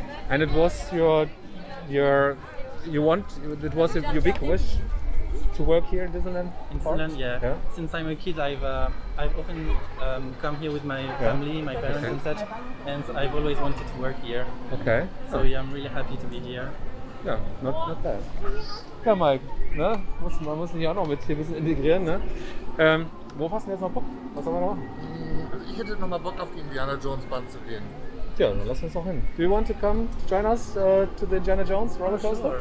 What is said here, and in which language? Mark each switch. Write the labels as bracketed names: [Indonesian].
[English] And it was your big wish to work here in Disneyland? In Disneyland, yeah. Yeah. Since I'm a kid, I've often come here with my family, yeah. My parents okay. And such, and I've always wanted to work here. Okay. So yeah, I'm really happy to be here. [German] Ja, [English] not bad. [German] Ja, Mike, ne? Man muss sich auch noch mit hier ein bisschen integrieren, ne? Wo hast du denn jetzt noch Bock? Was soll man machen? Ich hätte noch mal Bock, auf die Indiana Jones Bahn zu gehen. Tja, dann lass uns noch hin. [English] Do you want to come join us to the Indiana Jones Roller Coaster?